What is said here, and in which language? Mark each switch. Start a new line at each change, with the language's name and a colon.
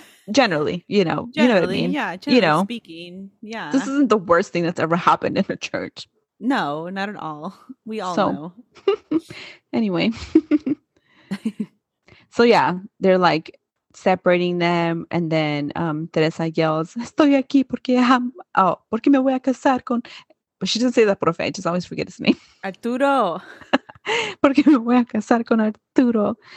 English: Generally, you know. Generally, you know what I mean? Yeah. Generally you know, speaking. Yeah. This isn't the worst thing that's ever happened in a church. No, not at all. We all know. Anyway. So, yeah. They're like separating them. And then Teresa yells,
Spanish: estoy aquí porque, porque me voy a casar con...
English: But she doesn't say the profe. I just always forget his name. Arturo.
Spanish: Porque me voy a casar con Arturo.